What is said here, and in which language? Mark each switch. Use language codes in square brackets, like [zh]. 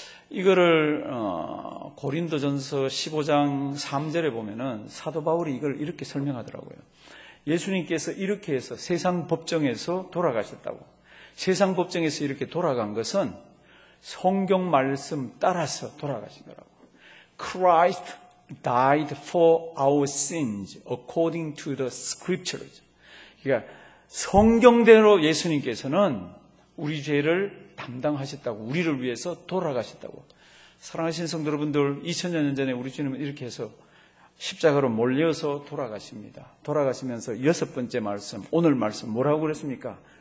[ko] 이거를 고린도전서 15장 3절에 보면은 사도 바울이 이걸 이렇게 설명하더라고요. 예수님께서 이렇게 해서 세상 법정에서 돌아가셨다고. 세상 법정에서 이렇게 돌아간 것은 성경 말씀 따라서 돌아가신 거라고. [en] Christ died for our sins according to the scriptures. [ko] 그러니까 성경대로 예수님께서는 우리 죄를 담당하셨다고, 우리를 위해서 돌아가셨다고. 사랑하시는 성도 여러분들, 2000년 전에 우리 주님은 이렇게 해서 십자가로 몰려서 돌아가십니다. 돌아가시면서 여섯 번째 말씀, 오늘 말씀 뭐라고 그랬습니까?